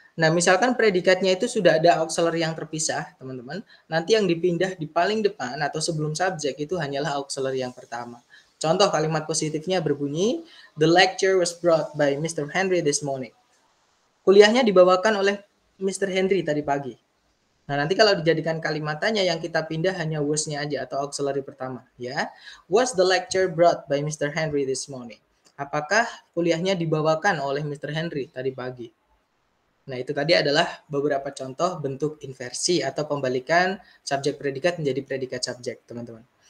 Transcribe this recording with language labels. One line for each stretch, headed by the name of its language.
Indonesian: Nah, misalkan predikatnya itu sudah ada auxiliary yang terpisah, teman-teman. Nanti yang dipindah di paling depan atau sebelum subjek itu hanyalah auxiliary yang pertama. Contoh kalimat positifnya berbunyi,
English: the lecture was brought by Mr. Henry this morning.
Indonesian: Kuliahnya dibawakan oleh Mr. Henry tadi pagi. Nah, nanti kalau dijadikan kalimat tanya, yang kita pindah hanya was-nya aja atau auxiliary pertama, ya.
English: Was the lecture brought by Mr. Henry this morning?
Indonesian: Apakah kuliahnya dibawakan oleh Mr. Henry tadi pagi? Nah, itu tadi adalah beberapa contoh bentuk inversi atau pembalikan subjek predikat menjadi predikat subjek, teman-teman.